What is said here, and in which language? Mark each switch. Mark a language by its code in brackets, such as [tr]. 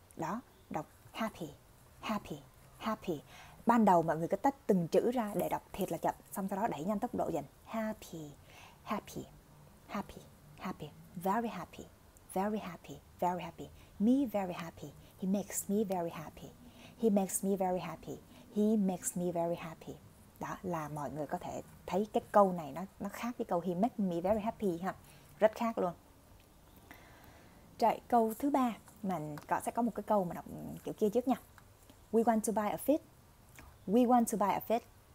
[vi] Đó, đọc [en] happy, happy, happy. [vi] Ban đầu mọi người cứ tách từng chữ ra để đọc thiệt là chậm, xong sau đó đẩy nhanh tốc độ dần. [en] Happy, happy, happy, happy. Very happy, very happy, very happy. Me very happy, he makes me very happy. He makes me very happy, he makes me very happy. [vi] Đó là mọi người có thể thấy cái câu này nó khác với câu [en] he makes me very happy [vi] ha. Rất khác luôn. Rồi, câu thứ ba, mình sẽ có một cái câu mà đọc kiểu kia trước nha. [en] We want to buy a fish. [vi] We want to buy a fish.